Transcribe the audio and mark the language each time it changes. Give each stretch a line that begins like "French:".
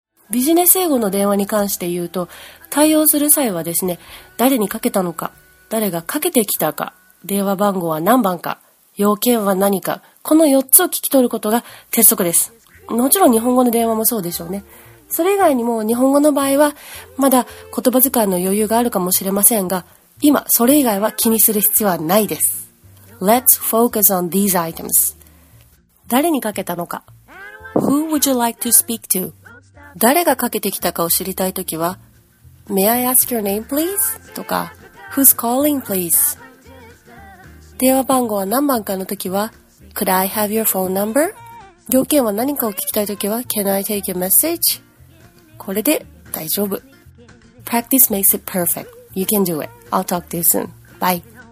Japanese: ビジネス英語の電話に関して言うと、対応する際はですね、誰にかけたのか、誰がかけてきたか、電話番号は何番か、要件は何か、この4つを聞き取ることが鉄則です。もちろん日本語の電話もそうでしょうね。それ以外にも日本語の場合はまだ言葉遣いの余裕があるかもしれませんが、今それ以外は気にする必要はないです。
English: Let's focus on these items.
Japanese: 誰にかけたのか。
English: Who would you like to speak to?
Japanese: 誰がかけてきたかを知りたいときは、
English: May I ask your name please?
Japanese: とか、
English: Who's calling please?
Japanese: 電話番号は何番かのときは、
English: Could I have your phone number?
Japanese: 要件は何かを聞きたいときは、
English: Can I take a message?
Japanese: これで大丈夫。
English: Practice makes it perfect. You can do it. I'll talk to you soon. Bye.